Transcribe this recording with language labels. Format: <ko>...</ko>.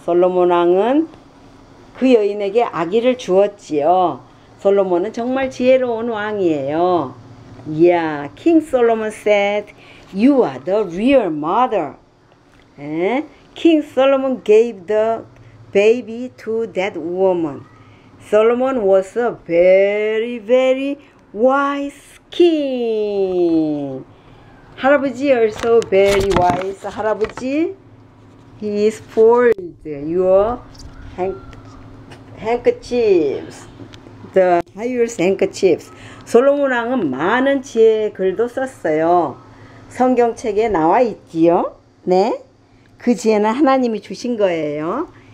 <ko>솔로몬 왕은 그 여인에게 아기를 주었지요. 솔로몬은 정말 지혜로운 왕이에요.</ko> <en>Yeah, King Solomon said, "You are the real mother." King Solomon gave the baby to that woman. Solomon was a very, very wise king. 할아버지 also very wise. 할아버지, he is fold your handkerchiefs, the highest handkerchiefs.</en> <ko>솔로몬 왕은 많은 지혜의 글도 썼어요. 성경책에 나와 있지요? 네. 그 지혜는 하나님이 주신 거예요.</ko>